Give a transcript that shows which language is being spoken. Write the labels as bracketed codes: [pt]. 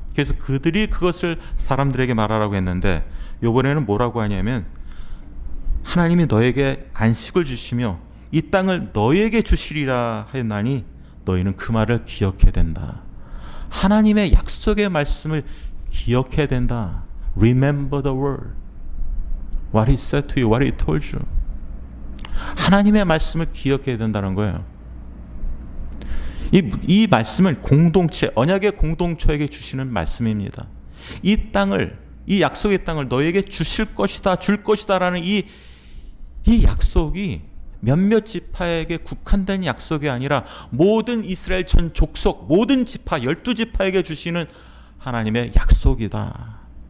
[ko] 그래서 그들이 그것을 사람들에게 말하라고 했는데 이번에는 뭐라고 하냐면 하나님이 너에게 안식을 주시며 이 땅을 너에게 주시리라 하였나니 너희는 그 말을 기억해야 된다. 하나님의 약속의 말씀을 기억해야 된다. [en] Remember the word. What he said to you, what he told you. [ko] 하나님의 말씀을 기억해야 된다는 거예요. 이 말씀은 공동체, 언약의 공동체에게 주시는 말씀입니다. 이 땅을, 이 약속의 땅을 너에게 주실 것이다, 줄 것이다 라는 이 약속이 몇몇 지파에게 국한된 약속이 아니라 모든 이스라엘 전 족속, 모든 지파, 열두 지파에게 주시는 하나님의 약속이다.